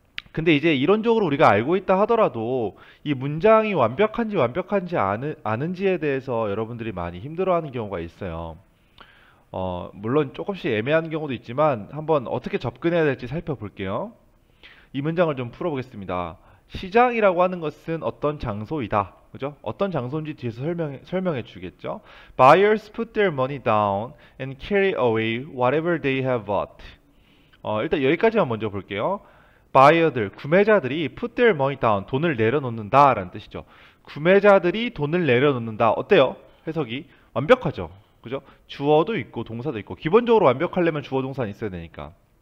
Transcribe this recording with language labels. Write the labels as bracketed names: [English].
[Korean] 근데 이제 이론적으로 우리가 알고 있다 하더라도 이 문장이 완벽한지 완벽한지 아는지에 대해서 여러분들이 많이 힘들어하는 경우가 있어요. 물론 조금씩 애매한 경우도 있지만 한번 어떻게 접근해야 될지 살펴볼게요. 이 문장을 좀 풀어보겠습니다. 시장이라고 하는 것은 어떤 장소이다. 그죠? 어떤 장소인지 뒤에서 설명해 주겠죠? [English] Buyers put their money down and carry away whatever they have bought. [Korean] 일단 여기까지만 먼저 볼게요. Buyer들, 구매자들이 [English] put their money down, [Korean] 돈을 내려놓는다라는 뜻이죠. 구매자들이 돈을 내려놓는다. 어때요? 해석이 완벽하죠? 그죠? 주어도 있고 동사도 있고 기본적으로 완벽하려면 주어 동사는 있어야 되니까.